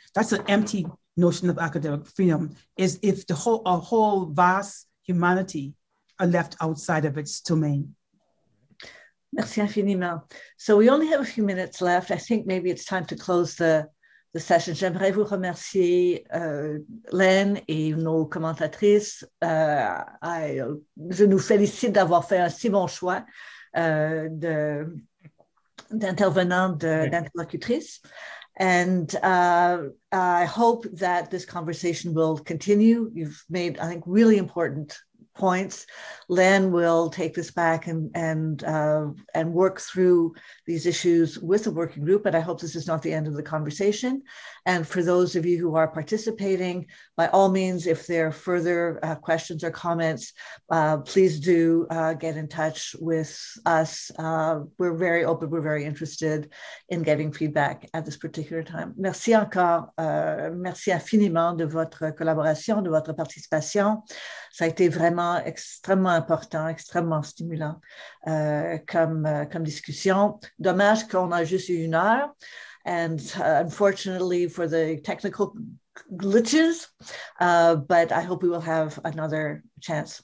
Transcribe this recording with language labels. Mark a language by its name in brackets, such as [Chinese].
[English] That's an empty notion of academic freedom, is if the whole, a whole vast humanity are left outside of its domain. [French] Merci infiniment. [English] So we only have a few minutes left. I think maybe it's time to close the session. [French] J'aimerais vous remercier Len et nos commentatrices. Je nous félicite d'avoir fait un si bon choix d'interlocutrices. [English] And I hope that this conversation will continue. You've made, I think, really important points. Len will take this back and work through these issues with the working group, and I hope this is not the end of the conversation. And for those of you who are participating, by all means, if there are further questions or comments, please do get in touch with us. We're very open, we're very interested in getting feedback at this particular time. [French] Merci encore, merci infiniment de votre collaboration, de votre participation. Ça a été vraiment extrêmement important, extrêmement stimulant comme discussion. Dommage qu'on a juste eu une heure. [English] And unfortunately for the technical glitches, but I hope we will have another chance.